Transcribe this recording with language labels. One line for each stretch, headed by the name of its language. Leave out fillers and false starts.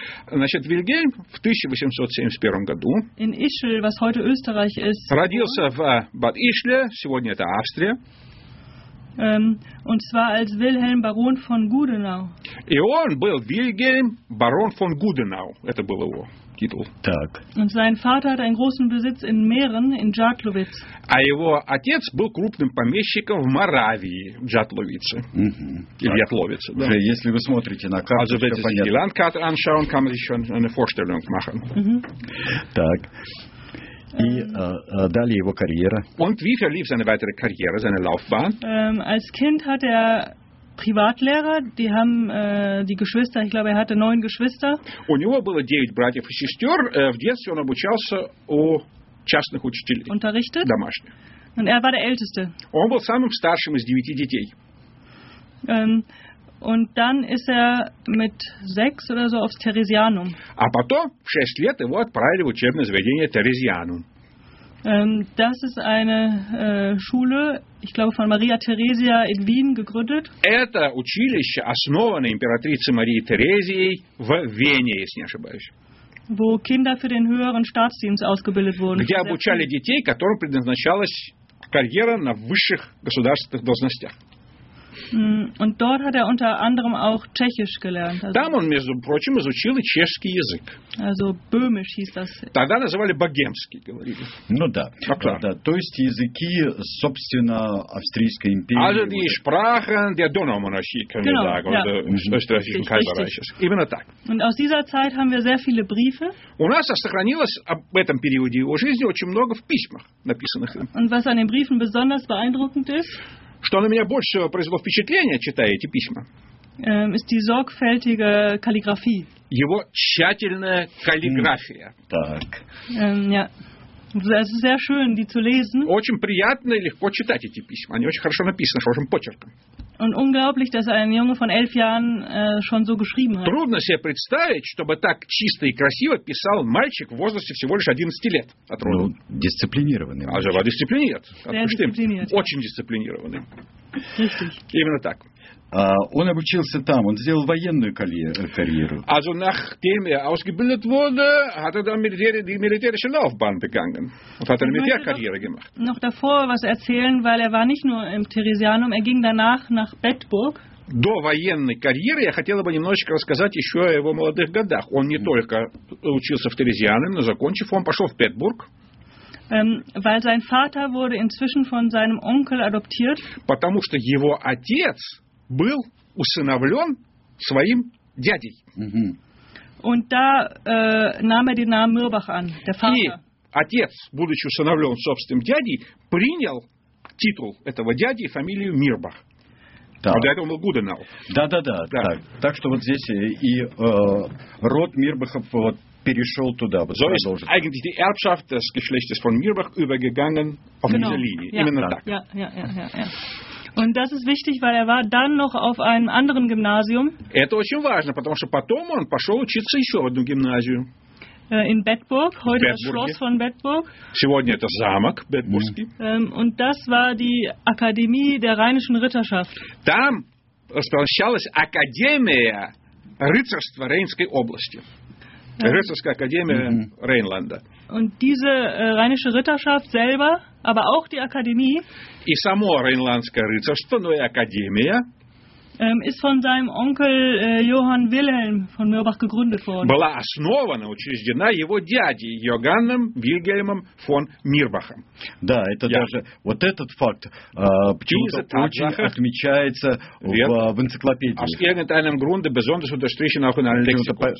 Russian: Значит, Вильгельм в 1871 году
German: in Ischl, was heute Österreich ist,
Russian: родился в Бад Ишле, сегодня это Австрия.
German: Und zwar als Wilhelm Baron von Gudenau.
Russian: И он был Вильгельм Барон фон Гуденау. Это был его титул. Так.
German: Und sein Vater hat einen großen Besitz in Mähren, in Jatlowitz.
Russian: А его отец был крупным помещиком в Моравии, в Джатловице. Mm-hmm. В Джатловице, да. Уже, если вы смотрите на карту, все понятно.
German: Landkarte anschauen, kann man sich schon eine Vorstellung machen.
Russian: Mm-hmm. Так. И далее его карьера.
German: Und wie verlief seine weitere Karriere, seine Laufbahn? Als Kind hat er Privatlehrer, die haben die Geschwister, ich glaube, er hatte 9 Geschwister.
Russian: У него было 9 братьев и сестер. В детстве он обучался у частных учителей.
German: Unterrichtet?
Russian: Домашних.
German: Und er war der Älteste.
Russian: Он был самым старшим из девяти детей.
German: Und dann ist er mit 6 oder so aufs Theresianum.
Russian: А потом в 6 лет его отправили в учебное заведение Theresianum.
German: Das ist eine Schule, ich glaube von Maria Theresia in Wien gegründet.
Russian: Это училище основано императрицей Марией Терезией в Вене, если не ошибаюсь.
German: Wo Kinder für den höheren Staatsdienst ausgebildet wurden.
Russian: Где обучали детей, которым предназначалась карьера на высших государственных должностях.
German: Und dort hat er unter anderem auch Tschechisch gelernt.
Russian: Also, там он, между прочим, изучил и чешский язык.
German: Also Böhmisch hieß das.
Russian: Тогда называли богемский, говорили. Ну да. Okay. Да, то есть языки, собственно, Австрийской империи.
German: Also die вот Sprachen der Donaumonarchie, können genau, wir sagen, ja. Oder österreichischen Kaiserreiches.
Russian: Именно так.
German: Und aus dieser Zeit haben wir sehr viele Briefe.
Russian: У нас сохранилось об этом периоде его жизни очень много в письмах, написанных им.
German: Und was an den Briefen besonders beeindruckend ist?
Russian: Что на меня больше всего произвело впечатление, читая эти письма?
German: Ist die sorgfältige Kalligrafie.
Russian: Его тщательная каллиграфия. Так.
German: Es ist sehr schön, die zu lesen.
Russian: Очень приятно и легко читать эти письма. Они очень хорошо написаны, хорошим почерком.
German: Und unglaublich, dass ein Junge von 11 Jahren schon so geschrieben hat.
Russian: Трудно себе представить, чтобы так чисто и красиво писал мальчик в возрасте всего лишь 11 лет. Ну, дисциплинированный. А же его дисциплинирует. Дисциплинирует. Очень дисциплинированный.
German: Richtig.
Russian: Именно так. Он обучился там, он сделал военную карьеру.
German: Also nachdem ausgebildet wurde, hat dann die militärische Laufbahn begangen. Und hat eine Militärkarriere gemacht. Noch davor was erzählen, weil war nicht nur im Theresianum, ging danach nach Bedburg.
Russian: До военной карьеры я хотел бы немножечко рассказать еще о его молодых годах. Он не только учился в Theresianum, но закончив, он пошел в Петербург.
German: Weil sein Vater wurde inzwischen von seinem Onkel adoptiert.
Russian: Потому что его отец был усыновлен своим дядей.
German: Und da nahm den Namen Mirbach an, der Vater.
Russian: И отец, будучи усыновлен собственным дядей, принял титул этого дяди и фамилию Мирбах. Да. А для этого он был Гуденау. Да-да-да. Так. Так что вот здесь и род Мирбахов вот перешел туда. Вот
German: so ist eigentlich die Erbschaft des Geschlechtes von Mirbach übergegangen auf genau. diese Linie. Ja.
Russian: Именно
German: ja.
Russian: так.
German: Ja. Und das ist wichtig, weil war dann noch auf einem anderen Gymnasium.
Russian: Это очень важно, потому что потом он пошел учиться еще в одну гимназию.
German: In Bedburg, heute Bedburg. Das Schloss von Bedburg.
Russian: Сегодня это замок Бетбургский.
German: Und das war die Akademie der Rheinischen Ritterschaft.
Russian: Там располагалась Академия рыцарства Рейнской области. Рыцарская академия Рейнланда.
German: Und diese Rheinische Ritterschaft selber, aber auch die Akademie.
Russian: И само Рейнландское рыцарство, но и академия.
German: Ist von seinem Onkel Johann Wilhelm von Mirbach gegründet worden.
Russian: Была основана, учреждена его дядей Йоганном Вильгельмом фон Мирбахом. Да, это даже вот этот факт почему-то очень отмечается в энциклопедии.
German: Aus irgendeinem Grunde besonders unterstrichen auch in einem Lexikon.